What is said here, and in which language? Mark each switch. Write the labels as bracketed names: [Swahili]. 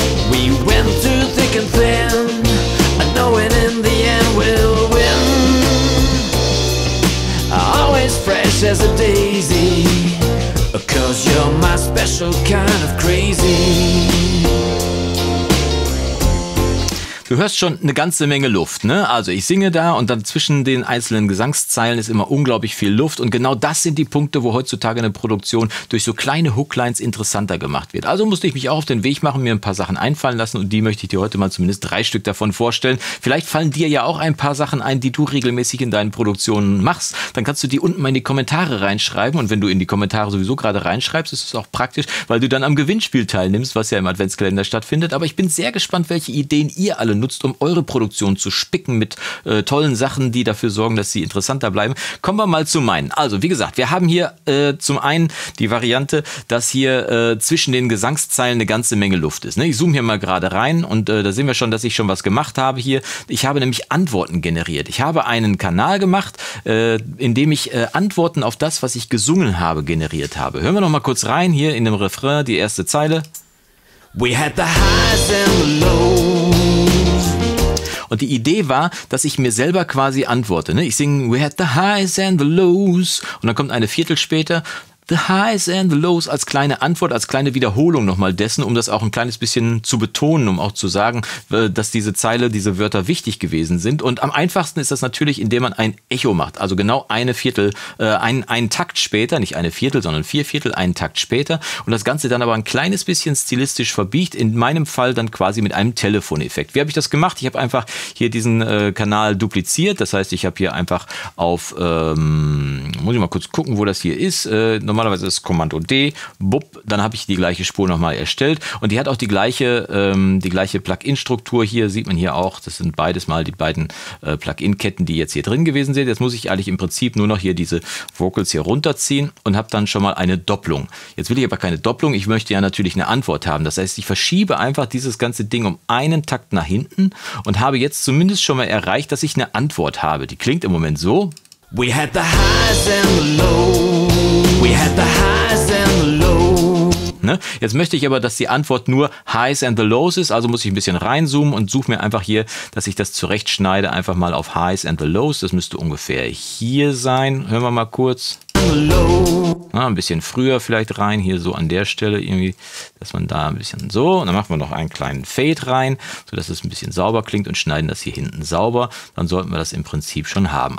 [English] We went through thick and thin, knowing in the end we'll win. Always fresh as a daisy, 'cause you're my special kind of crazy. [German] Du hörst schon eine ganze Menge Luft, ne? Also ich singe da und dann zwischen den einzelnen Gesangszeilen ist immer unglaublich viel Luft und genau das sind die Punkte, wo heutzutage eine Produktion durch so kleine Hooklines interessanter gemacht wird. Also musste ich mich auch auf den Weg machen, mir ein paar Sachen einfallen lassen und die möchte ich dir heute mal zumindest drei Stück davon vorstellen. Vielleicht fallen dir ja auch ein paar Sachen ein, die du regelmäßig in deinen Produktionen machst. Dann kannst du die unten mal in die Kommentare reinschreiben und wenn du in die Kommentare sowieso gerade reinschreibst, ist es auch praktisch, weil du dann am Gewinnspiel teilnimmst, was ja im Adventskalender stattfindet. Aber ich bin sehr gespannt, welche Ideen ihr alle nutzt, um eure Produktion zu spicken mit tollen Sachen, die dafür sorgen, dass sie interessanter bleiben. Kommen wir mal zu meinen. Also, wie gesagt, wir haben hier zum einen die Variante, dass hier zwischen den Gesangszeilen eine ganze Menge Luft ist. Ne? Ich zoome hier mal gerade rein und da sehen wir schon, dass ich schon was gemacht habe hier. Ich habe nämlich Antworten generiert. Ich habe einen Kanal gemacht, in dem ich Antworten auf das, was ich gesungen habe, generiert habe. Hören wir noch mal kurz rein, hier in dem Refrain, die erste Zeile. [English] We had the highs and the lows. [German] Und die Idee war, dass ich mir selber quasi antworte. Ich singe, [English] we had the highs and the lows. [German] Und dann kommt eine Viertel später, [English] the highs and the lows, [German] als kleine Antwort, als kleine Wiederholung nochmal dessen, um das auch ein kleines bisschen zu betonen, um auch zu sagen, dass diese Zeile, diese Wörter wichtig gewesen sind. Und am einfachsten ist das natürlich, indem man ein Echo macht. Also genau eine Viertel, einen Takt später, nicht eine Viertel, sondern vier Viertel, einen Takt später. Und das Ganze dann aber ein kleines bisschen stilistisch verbiegt, in meinem Fall dann quasi mit einem Telefoneffekt. Wie habe ich das gemacht? Ich habe einfach hier diesen Kanal dupliziert. Das heißt, ich habe hier einfach auf, muss ich mal kurz gucken, wo das hier ist, normalerweise ist es Kommando D, bupp, dann habe ich die gleiche Spur nochmal erstellt und die hat auch die gleiche Plugin-Struktur hier, sieht man hier auch, das sind beides mal die beiden Plugin-Ketten, die jetzt hier drin gewesen sind. Jetzt muss ich eigentlich im Prinzip nur noch hier diese Vocals hier runterziehen und habe dann schon mal eine Doppelung. Jetzt will ich aber keine Doppelung, ich möchte ja natürlich eine Antwort haben, das heißt, ich verschiebe einfach dieses ganze Ding um einen Takt nach hinten und habe jetzt zumindest schon mal erreicht, dass ich eine Antwort habe. Die klingt im Moment so. [English] We had the highs and the lows. We had the highs and the lows. [German] Ne? Jetzt möchte ich aber, dass die Antwort nur [English] highs and the lows [German] ist, also muss ich ein bisschen reinzoomen und suche mir einfach hier, dass ich das zurechtschneide, einfach mal auf highs and the lows. Das müsste ungefähr hier sein. Hören wir mal kurz. Na, ein bisschen früher vielleicht rein, hier so an der Stelle irgendwie, dass man da ein bisschen so, und dann machen wir noch einen kleinen Fade rein, sodass es ein bisschen sauber klingt und schneiden das hier hinten sauber, dann sollten wir das im Prinzip schon haben.